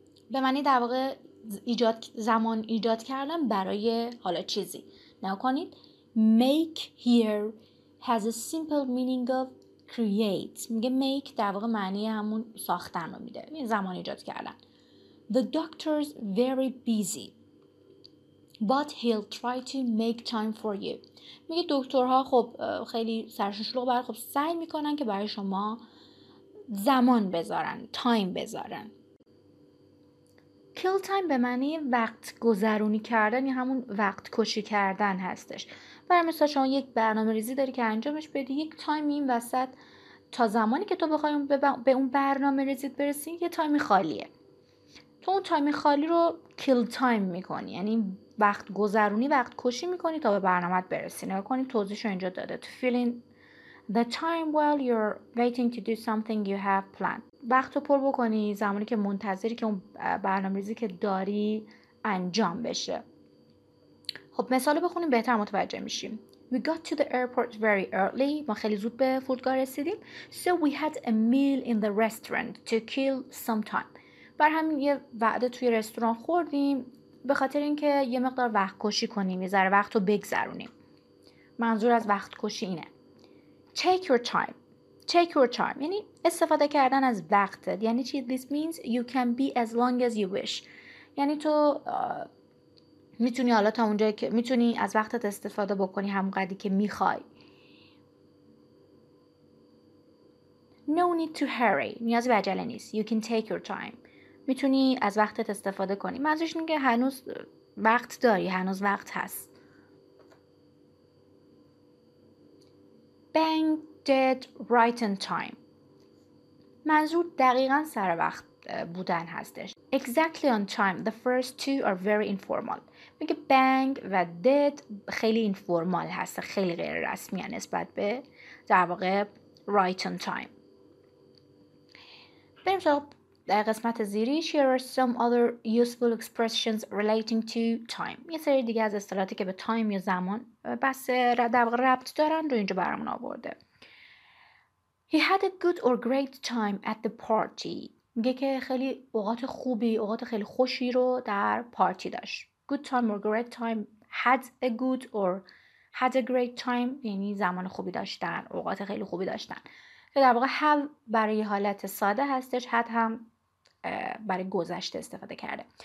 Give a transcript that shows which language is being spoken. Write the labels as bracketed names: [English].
[Persian] به معنی در واقع زمان ایجاد کردم برای حالا چیزی. نگاه کنید. [English] Make here has a simple meaning of create. [Persian] میگه make در واقع معنی همون ساختن رو میده. یعنی زمان ایجاد کردن. [English] The doctor's very busy. But he'll try to make time for you. [Persian] میگه دکترها خب خیلی سرشون شلوغ برای خب سعی میکنن که برای شما زمان بذارن. تایم بذارن. Kill time به معنی وقت گذرونی کردن یا همون وقت کشی کردن هستش. برای مثلا شما یک برنامه ریزی داری که انجامش بدی. یک تایمی این وسط تا زمانی که تو بخوای به اون برنامه ریزیت برسی یه تایمی خالیه. تو اون تایمی خالی رو kill time میکنی. یعنی وقت گذرونی وقت کشی میکنی تا به برنامه برسی. نگاه کنید توضیحش رو اینجا داده. [English] To fill in the time while you're waiting to do something you have planned. [Persian] وقت رو پر بکنی زمانی که منتظری که اون برنامه ریزی که داری انجام بشه. خب مثال بخونیم بهتر متوجه میشیم. [English] We got to the airport very early. [Persian] ما خیلی زود به فرودگاه رسیدیم. [English] So we had a meal in the restaurant to kill some time. [Persian] بر همین یه وعده توی رستوران خوردیم به خاطر اینکه یه مقدار وقت کشی کنیم. یه ذره وقت رو بگذرونیم. منظور از وقت کشی اینه. [English] Take your time. Take your time. [Persian] یعنی استفاده کردن از وقت. یعنی چی؟ [English] This means you can be as long as you wish. [Persian] یعنی تو میتونی حالا تا اونجایی که میتونی از وقتت استفاده بکنی همونقدی که میخوای. [English] No need to hurry. [Persian] نیازی به عجله نیست. [English] You can take your time. [Persian] میتونی از وقتت استفاده کنی. منظورش اینه که هنوز وقت داری. هنوز وقت هست. [English] Bang dead right on time. [Persian] منظور دقیقا سر وقت بودن هستش. [English] Exactly on time. The first two are very informal. [Persian] میگه bang و dead خیلی informal هست. خیلی غیر رسمی هست نسبت به در واقع right on time. بریم تا در قسمت زیری. [English] Here are some other useful expressions relating to time. [Persian] یه سری دیگه از اصطلاحاتی که به time یا زمان بس در واقع ربط دارن رو اینجا برامون آورده. [English] He had a good or great time at the party. [Persian] میگه که خیلی اوقات خوبی، اوقات خیلی خوشی رو در پارتی داشت. [English] Good time or great time. Had a good or had a great time. [Persian] یعنی زمان خوبی داشتن، اوقات خیلی خوبی داشتن. که در واقع have برای حالت ساده هستش. Had هم برای گذشته استفاده کرده.